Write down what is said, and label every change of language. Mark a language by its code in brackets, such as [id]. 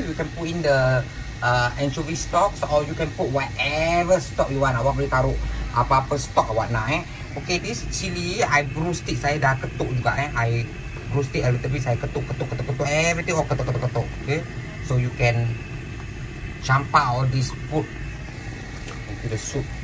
[en] You can put in the anchovy stocks or you can put whatever stock you want. [ms] Awak boleh taruh apa-apa stock awak nak eh. [en] Okay, this chili, I bruised it. [ms] Saya dah ketuk juga eh. [en] I bruised it a little bit, [ms] saya ketuk. [en] Everything all ketuk. Okay. so you can campur all this food into the soup.